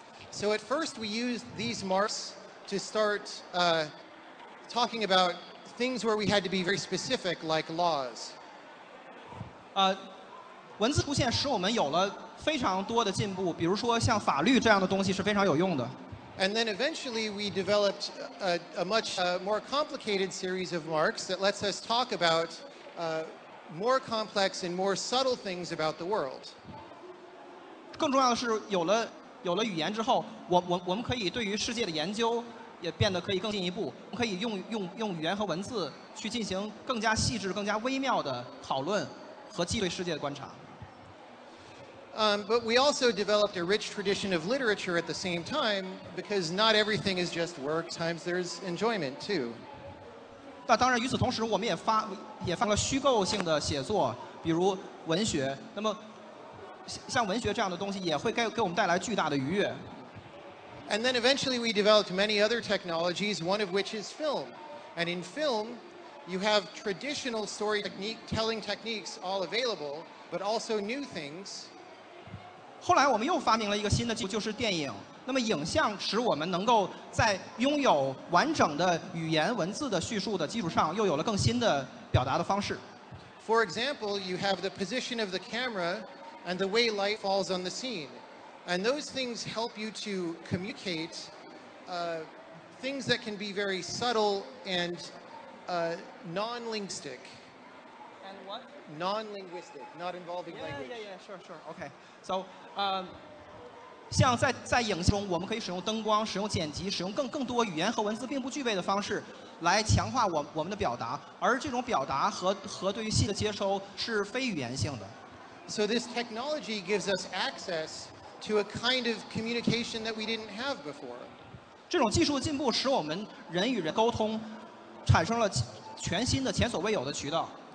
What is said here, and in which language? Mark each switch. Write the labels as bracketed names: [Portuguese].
[English] So at first we used these marks to start talking about things where we had to be very specific, like laws. [Chinese] 文字出现使我们有了非常多的进步，比如说像法律这样的东西是非常有用的。 [English] And then eventually we developed a much more complicated series of marks that lets us talk about more complex and more subtle things about the world. [Chinese] 更重要的是有了语言之后，我们可以对于世界的研究也变得可以更进一步，我们可以用语言和文字去进行更加细致、更加微妙的讨论和记对世界的观察。 [English] But we also developed a rich tradition of literature at the same time, because not everything is just work, times there's enjoyment too. [Chinese] 那当然与此同时我们也发了虚构性的写作，比如文学，那么像文学这样的东西也会给我们带来巨大的愉悦。 [English] And then eventually we developed many other technologies, one of which is film. And in film, you have traditional storytelling techniques all available, but also new things. [Chinese] 后来我们又发明了一个新的技术，就是电影。那么影像使我们能够在拥有完整的语言文字的叙述的基础上，又有了更新的表达的方式。 [English] For example, you have the position of the camera and the way light falls on the scene. And those things help you to communicate things that can be very subtle and non-linguistic. And what? Non-linguistic, not involving language. Yeah, sure, okay. [Chinese] So,像在影像中，我们可以使用灯光、使用剪辑、使用更多语言和文字并不具备的方式，来强化我们的表达。而这种表达和对于信息的接收是非语言性的。 [English] So this technology gives us access to a kind of communication that we didn't have before. [Chinese] 这种技术进步使我们人与人沟通产生了全新的、前所未有的渠道。